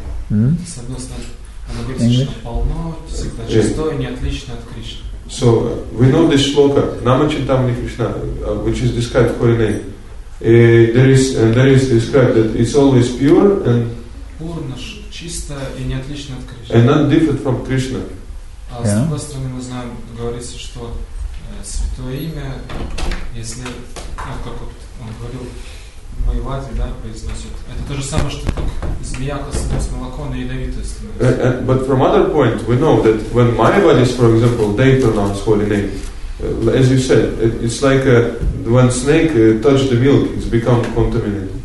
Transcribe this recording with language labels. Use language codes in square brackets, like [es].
[en] English? Yeah. So we know this shloka, Nama Chintamani Krishna, which is described holy name. There is described that it's always pure and [ru] Purnash, чисто и не отлично от Кришны. [en] And not different from Krishna. Yeah. [ru] С другой стороны, мы знаем, говорится, что святое имя, если как вот он говорил, Майвади, да, произносит. Это то же самое, что как змея коснулась молоко на ядовитость. [en] But from other point, we know that when Майвадис, for example, they pronounce holy name, as you said, it's like when snake touch the milk, it's become contaminated.